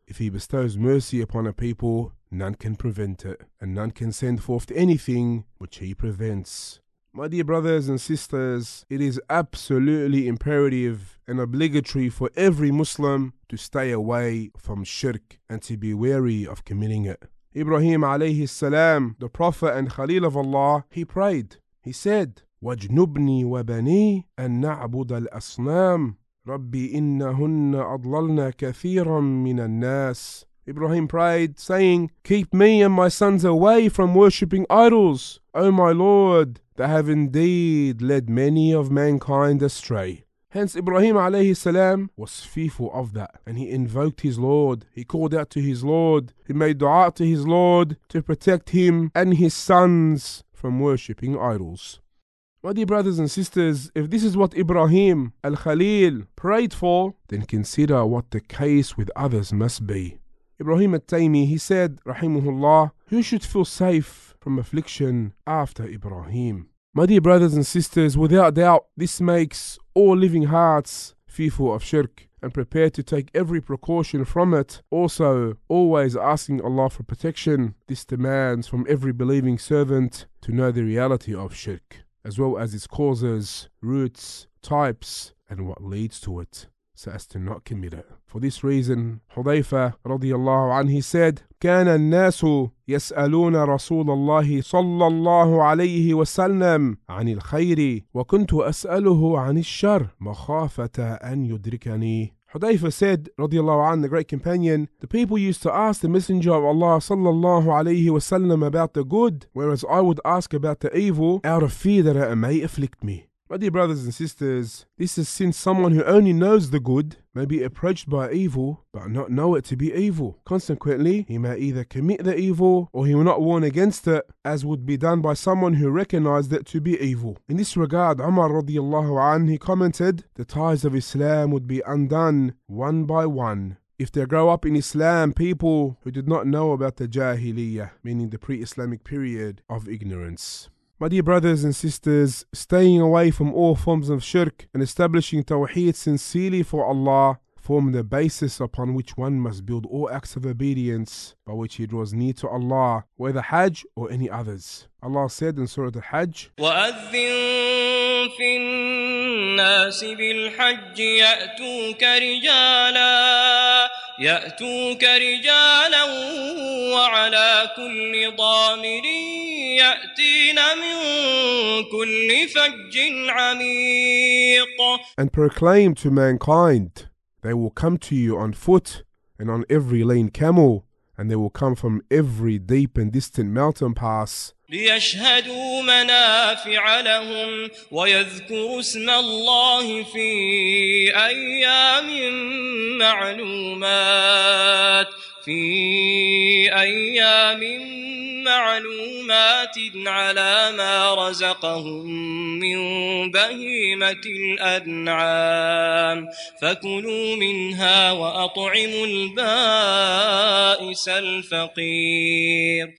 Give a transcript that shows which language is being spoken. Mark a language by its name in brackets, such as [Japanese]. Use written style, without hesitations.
[English] If He bestows mercy upon a people, none can prevent it, and none can send forth anything which He prevents. My dear brothers and sisters, it is absolutely imperative and obligatory for every Muslim to stay away from shirk and to be wary of committing it. Ibrahim alayhi salam, the Prophet and Khalil of Allah, he prayed. He said, [Arabic] وَاجْنُبْنِي وَبَنِي أَن نَعْبُدَ الْأَصْنَامِ رَبِّ إِنَّهُنَّ أَضْلَلْنَا كَثِيرًا مِّنَ النَّاسِ. [English] Ibrahim prayed, saying, keep me and my sons away from worshipping idols, O my Lord, that have indeed led many of mankind astray. Hence Ibrahim alayhi salam was fearful of that, and he invoked his Lord, he called out to his Lord, he made dua to his Lord to protect him and his sons from worshipping idols. My dear brothers and sisters, if this is what Ibrahim al-Khalil prayed for, then consider what the case with others must be. Ibrahim al-Taymi, he said, rahimahullah, who should feel safe from affliction after Ibrahim? My dear brothers and sisters, without doubt, this makes all living hearts fearful of shirk and prepare to take every precaution from it. Also, always asking Allah for protection, this demands from every believing servant to know the reality of shirk, as well as its causes, roots, types, and what leads to it, so as to not commit it. For this reason, [Arabic] Hudhayfa radiyallahu anhi said, كَانَ النَّاسُ يَسْأَلُونَ رَسُولَ اللَّهِ صَلَّى اللَّهُ عَلَيْهِ وَسَلَّمَ عَنِ الْخَيْرِ وَكُنْتُ أَسْأَلُهُ عَنِ الشَّرِّ مَخَافَةَ أَنْ يُدْرِكَنِي. [English] Hudhayfa said, radiyallahu anhi, the great companion, the people used to ask the Messenger of Allah sallallahu alayhi wa sallam about the good, whereas I would ask about the evil out of fear that it may afflict me. My dear brothers and sisters, this is since someone who only knows the good may be approached by evil but not know it to be evil. Consequently, he may either commit the evil or he will not warn against it, as would be done by someone who recognized it to be evil. In this regard, Umar radiallahu anhu, he commented, the ties of Islam would be undone one by one if there grow up in Islam people who did not know about the Jahiliyyah, meaning the pre-Islamic period of ignorance. My dear brothers and sisters, staying away from all forms of shirk and establishing tawheed sincerely for Allah form the basis upon which one must build all acts of obedience by which he draws near to Allah, whether Hajj or any others. Allah said in Surah Al-Hajj, [Arabic] وَأَذِّنْ فِي النَّاسِ بِالْحَجِّ يَأْتُوكَ رِجَالًا وَعَلَى كُلِّ ضَامِرٍ يَأْتِينَ مِنْ كُلِّ فَجٍّ عَمِيقٍ. [English] And proclaim to mankind, they will come to you on foot and on every lean camel, and they will come from every deep and distant mountain pass, [Arabic] لِيَشْهَدُوا مَنَافِعَ لَهُمْ وَيَذْكُرُوا اسْمَ اللَّهِ فِي أَيَّامٍ مَعْلُومَاتٍ فِي أَيَّامٍ مَعْلُومَاتٍ عَلَى مَا رَزَقَهُمْ مِنْ بَهِيمَةِ الْأَنْعَامِ فَكُلُوا مِنْهَا وَأَطْعِمُوا الْبَائِسَ الْفَقِيرَ.